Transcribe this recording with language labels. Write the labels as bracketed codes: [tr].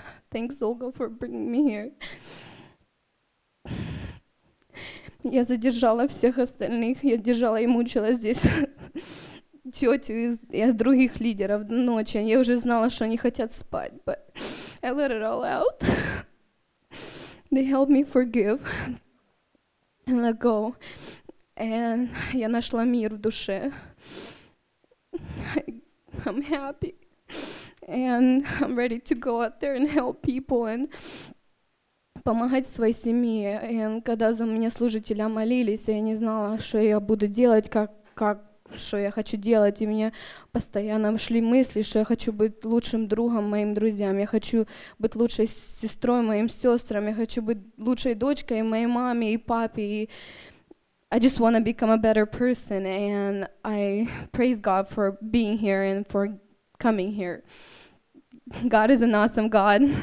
[en] Thanks, Olga, for bringing me [ru] Я задержала всех остальных, я держала и мучила здесь тетю и других лидеров до ночи. Я уже знала, что они хотят спать, [en] but I let it all out. They helped me forgive and let go. [ru] And я нашла мир в душе. [en] I'm happy. And I'm ready to go out there and help people and [ru] помогать своей семье. And когда за меня служителя молились, я не знала, что я буду делать, что я хочу делать. И мне постоянно шли мысли, что я хочу быть лучшим другом моим друзьям. Я хочу быть лучшей сестрой моим сестрам. Я хочу быть лучшей дочкой моей маме и папе. [en] И I just want to become a better person. And I praise God for being here and for coming here. God is an awesome God.